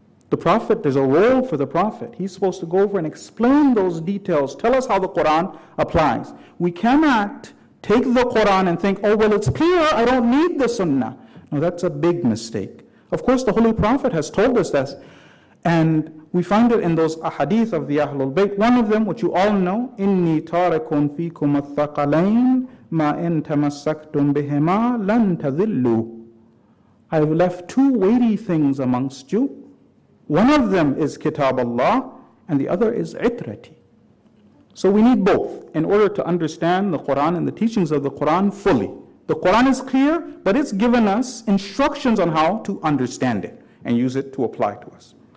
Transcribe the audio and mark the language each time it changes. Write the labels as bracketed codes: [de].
[en] The Prophet, there's a role for the Prophet. He's supposed to go over and explain those details. Tell us how the Quran applies. We cannot take the Quran and think, oh, well, it's clear, I don't need the Sunnah. No, that's a big mistake. Of course, the Holy Prophet has told us this. And we find it in those ahadith of the Ahlul Bayt. One of them, which you all know, [ar] إِنِّي تَارِكُمْ فِيكُمَ الثَّقَلَيْنِ مَا إِن تَمَسَّكْتُمْ بِهِمَا لَن تَذِلُّوا. [en] I've left two weighty things amongst you. One of them is Kitab Allah, and the other is Itrati. So we need both in order to understand the Quran and the teachings of the Quran fully. The Quran is clear, but it's given us instructions on how to understand it and use it to apply to us.